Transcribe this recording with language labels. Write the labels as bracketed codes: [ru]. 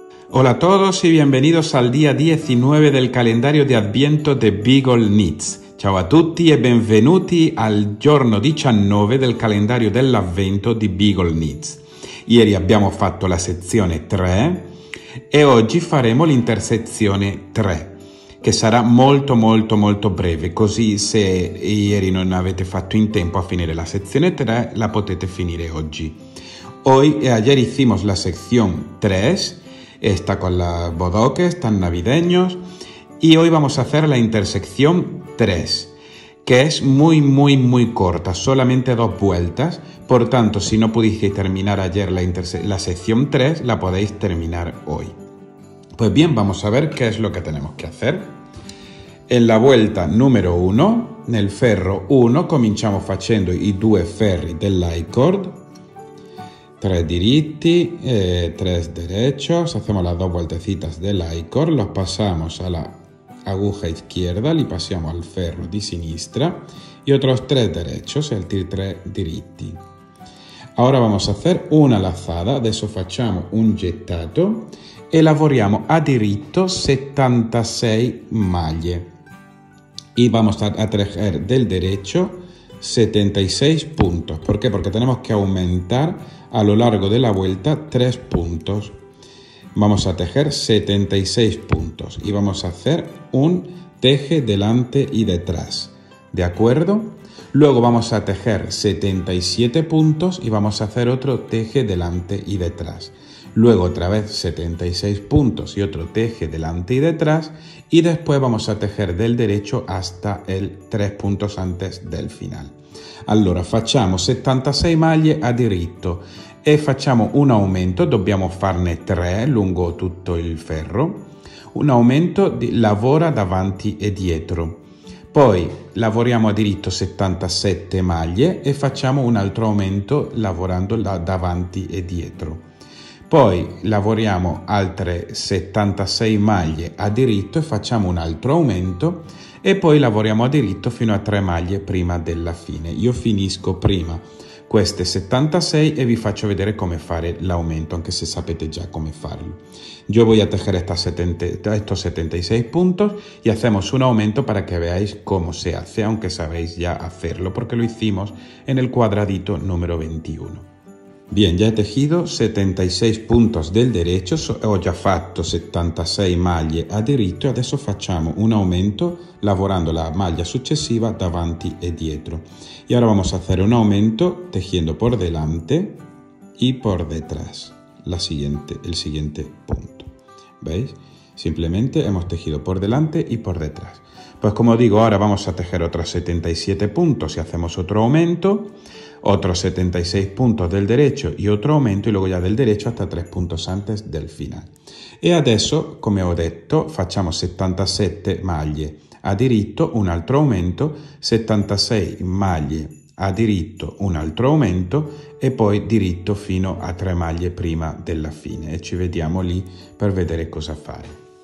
[es] Hola a todos y bienvenidos al día 19 del calendario de Adviento de Beagle Knits. [it] Ciao a tutti e benvenuti al giorno 19 del calendario dell'Avvento di Beagle Knits. Ieri abbiamo fatto la sezione 3 e oggi faremo l'intersezione 3, che sarà molto molto molto breve, così se ieri non avete fatto in tempo a finire la sezione 3, la potete finire oggi. [es] Ayer hicimos la sección 3, esta con las bodoques tan navideños, y hoy vamos a hacer la intersección 3, que es muy muy muy corta, solamente dos vueltas. Por tanto, si no pudisteis terminar ayer la sección 3, la podéis terminar hoy. Pues bien, vamos a ver qué es lo que tenemos que hacer. En la vuelta número 1, [it] nel ferro 1, cominciamos facendo i due ferri dell'I-cord. [es] Tres diritti, tres derechos. Hacemos las dos vueltecitas del I-cord, los pasamos a la aguja izquierda, [it] li passiamo al ferro di sinistra, [es] y otros tres derechos, el tres diritti. Ahora vamos a hacer una lazada, [it] adesso facciamo un gettato e lavoriamo a diritto 76 maglie. [es] Y vamos a tejer del derecho 76 puntos. ¿Por qué? Porque tenemos que aumentar a lo largo de la vuelta 3 puntos. Vamos a tejer 76 puntos y vamos a hacer un teje delante y detrás. ¿De acuerdo? Luego vamos a tejer 77 puntos y vamos a hacer otro teje delante y detrás. Luego otra vez 76 puntos y otro teje delante y detrás. Y después vamos a tejer del derecho hasta el 3 puntos antes del final. [it] Allora, facciamo 76 maglie a diritto e facciamo un aumento, dobbiamo farne 3 lungo tutto il ferro. Un aumento di lavora davanti e dietro. Poi lavoriamo a diritto 77 maglie e facciamo un altro aumento lavorando davanti e dietro. Poi lavoriamo altre 76 maglie a diritto e facciamo un altro aumento e poi lavoriamo a diritto fino a 3 maglie prima della fine. Io finisco prima queste 76 e vi faccio vedere come fare l'aumento, anche se sapete già come farlo. [es] Io voy a tejer estos 76 puntos y hacemos un aumento para que veáis cómo se hace, aunque sabéis ya hacerlo porque lo hicimos en el cuadradito número 21. Bien, ya he tejido 76 puntos del derecho, [it] ho già fatto 76 maglie a diritto e adesso facciamo un aumento lavorando la maglia successiva davanti e dietro. [es] Y ahora vamos a hacer un aumento tejiendo por delante y por detrás el siguiente punto. ¿Veis? Simplemente hemos tejido por delante y por detrás. Pues como digo, ahora vamos a tejer otros 77 puntos y hacemos otro aumento. Otros 76 puntos del derecho y otro aumento y luego ya del derecho hasta 3 puntos antes del final. [it] E adesso, come ho detto, facciamo 77 maglie a diritto, un altro aumento, 76 maglie a diritto, un altro aumento e poi diritto fino a 3 maglie prima della fine. E ci vediamo lì per vedere cosa fare.